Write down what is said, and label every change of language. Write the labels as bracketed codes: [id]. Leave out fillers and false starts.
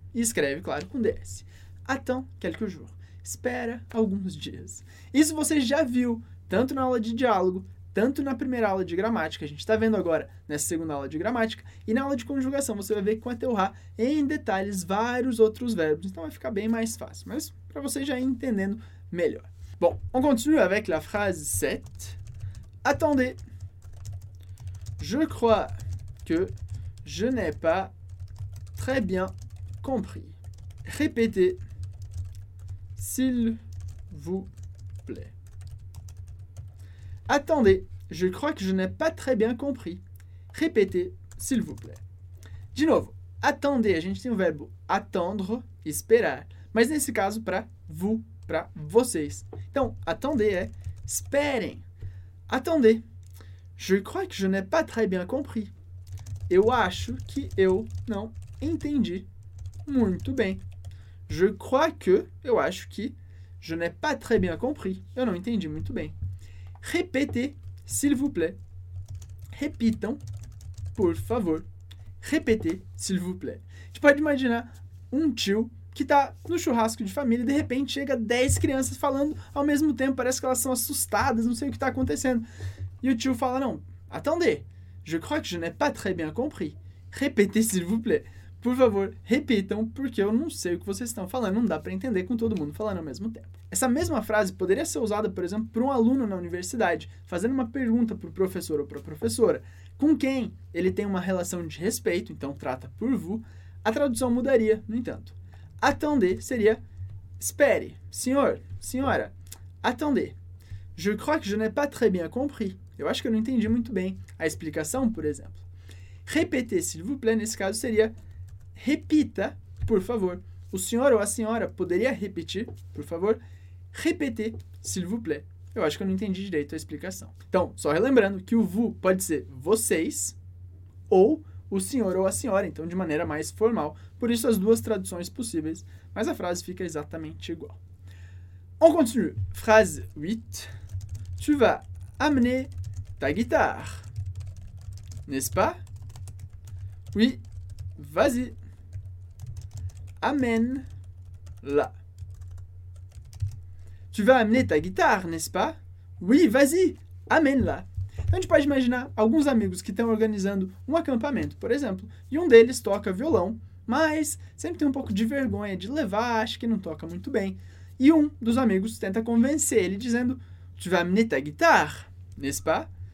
[pt] E escreve, claro, com DS. [fr] Attend quelques jours. [pt] Espera alguns dias. Isso você já viu, tanto na aula de diálogo, tanto na primeira aula de gramática, a gente está vendo agora nessa segunda aula de gramática, e na aula de conjugação você vai ver com a Teuhá em detalhes vários outros verbos, então vai ficar bem mais fácil, mas para você já ir entendendo melhor. [fr] Bon, on continue avec la phrase 7. Attendez. Je crois que je n'ai pas très bien compris. Répétez, s'il vous plaît. Attendez, je crois que je n'ai pas très bien compris. Répétez, s'il vous plaît. [pt] De novo, attendez, a gente tem o verbo attendre, esperar. Mas nesse caso, para vous, para vocês. Então, attendez é esperem. [fr] Attendez, je crois que je n'ai pas très bien compris. [pt] Eu acho que eu não entendi muito bem. [fr] Je crois que, [pt] eu acho que, [fr] je n'ai pas très bien compris. [pt] Eu não entendi muito bem. [fr] Répétez, s'il vous plaît. [pt] Repitam, por favor. [fr] Répétez, s'il vous plaît. [pt] Tu pode imaginar um tio que tá no churrasco de família e de repente chega 10 crianças falando ao mesmo tempo. Parece que elas são assustadas, não sei o que tá acontecendo. E o tio fala, não, attendez. [fr] Je crois que je n'ai pas très bien compris. Répétez, s'il vous plaît. [pt] Por favor, repitam, porque eu não sei o que vocês estão falando. Não dá para entender com todo mundo falando ao mesmo tempo. Essa mesma frase poderia ser usada, por exemplo, para um aluno na universidade, fazendo uma pergunta para o professor ou para a professora. Com quem ele tem uma relação de respeito, então trata por vous, a tradução mudaria, no entanto. Attendez seria espere. Senhor, senhora, attendez. [fr] Je crois que je n'ai pas très bien compris. [pt] Eu acho que eu não entendi muito bem a explicação, por exemplo. [fr] Répétez, s'il vous plaît, [pt] nesse caso seria repita, por favor. O senhor ou a senhora poderia repetir, por favor? [fr] Répétez, s'il vous plaît. [pt] Eu acho que eu não entendi direito a explicação. Então, só relembrando que o vous pode ser vocês ou o senhor ou a senhora, então de maneira mais formal. Por isso, as duas traduções possíveis, mas a frase fica exatamente igual. [fr] On continue. Phrase 8. Tu vas amener ta guitare, n'est-ce pas? Oui, vas-y. Amène-la. Tu vas amener ta guitare, n'est-ce pas? Oui, vas-y, amène-la. [pt] Então, a gente pode imaginar alguns amigos que estão organizando um acampamento, por exemplo, e um deles toca violão, mas sempre tem um pouco de vergonha de levar, acha que não toca muito bem. E um dos amigos tenta convencer ele, dizendo, [fr] tu vas amener ta guitare, n'est-ce pas?